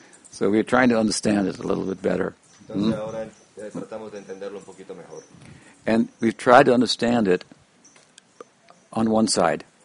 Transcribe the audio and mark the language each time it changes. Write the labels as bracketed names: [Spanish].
[English] So we're trying to understand it a little bit better. [Spanish] Entonces, ahora tratamos de entenderlo un poquito mejor. [English] And we've tried to understand it on one side.